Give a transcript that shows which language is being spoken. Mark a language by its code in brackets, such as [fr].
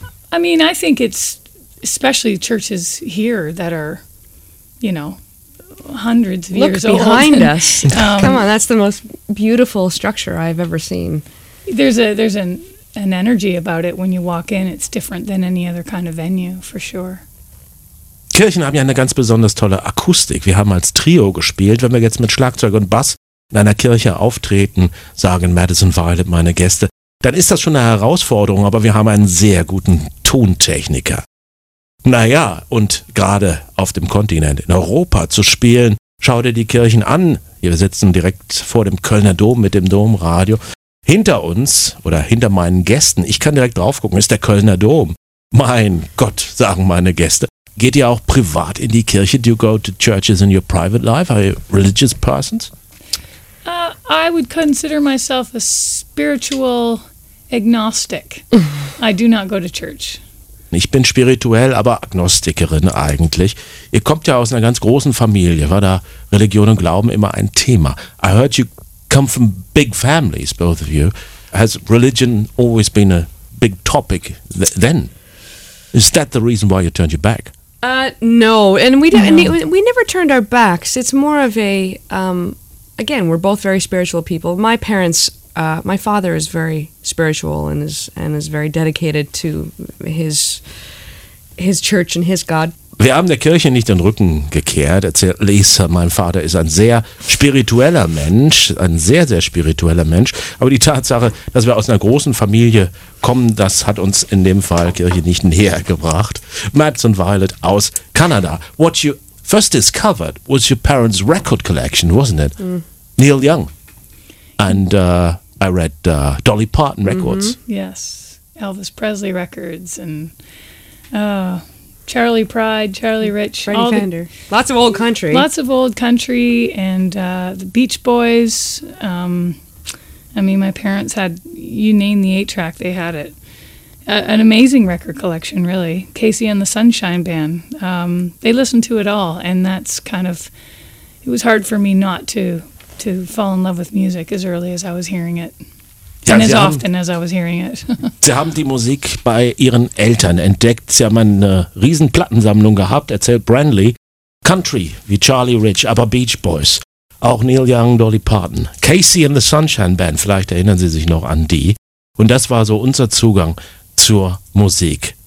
[en] I mean, I think it's especially churches here that are, you know, hundreds of years old. Look behind us. Come on, that's the most beautiful structure I've ever seen. There's an energy about it when you walk in. It's different than any other kind of venue, for sure. [de] Kirchen haben ja eine ganz besonders tolle Akustik. Wir haben als Trio gespielt. Wenn wir jetzt mit Schlagzeug und Bass in einer Kirche auftreten, sagen Madison Violet meine Gäste, dann ist das schon eine Herausforderung, aber wir haben einen sehr guten Tontechniker. Naja, und gerade auf dem Kontinent, in Europa zu spielen, schau dir die Kirchen an. Wir sitzen direkt vor dem Kölner Dom mit dem Domradio. Hinter uns oder hinter meinen Gästen, ich kann direkt drauf gucken, ist der Kölner Dom. Mein Gott, sagen meine Gäste. Geht ihr auch privat in die Kirche? [en] Do you go to churches in your private life? Are you religious persons? I would consider myself a spiritual agnostic. I do not go to church. [de] Ich bin spirituell, aber Agnostikerin eigentlich. Ihr kommt ja aus einer ganz großen Familie. War da Religion und Glauben immer ein Thema? [en] I heard you come from big families, both of you. Has religion always been a big topic then? Is that the reason why you turned your back? No, and we never turned our backs. It's more of a, again, we're both very spiritual people. My parents, my father is very spiritual and is very dedicated to his church and his God. [de] Wir haben der Kirche nicht den Rücken gekehrt, erzählt Lisa. Mein Vater ist ein sehr spiritueller Mensch, ein sehr, sehr spiritueller Mensch. Aber die Tatsache, dass wir aus einer großen Familie kommen, das hat uns in dem Fall Kirche nicht näher gebracht. Madison Violet aus Kanada. [en] What you first discovered was your parents' record collection, wasn't it? Mm. Neil Young. And I read Dolly Parton records. Mm-hmm. Yes, Elvis Presley records and... Charlie Pride, Charlie Rich, Freddie Fender. Lots of old country. Lots of old country and the Beach Boys. My parents had, you name the 8-track, they had it. An amazing record collection, really. Casey and the Sunshine Band. They listened to it all, and that's kind of, it was hard for me not to fall in love with music as early as I was hearing it. Ja, and as often as I was hearing it. [de] Sie haben die Musik bei ihren Eltern entdeckt. Sie haben eine riesen Plattensammlung gehabt, erzählt Brandley. Country wie Charlie Rich, aber Beach Boys. Auch Neil Young, Dolly Parton. Casey and the Sunshine Band, vielleicht erinnern Sie sich noch an die. Und das war so unser Zugang zur Musik.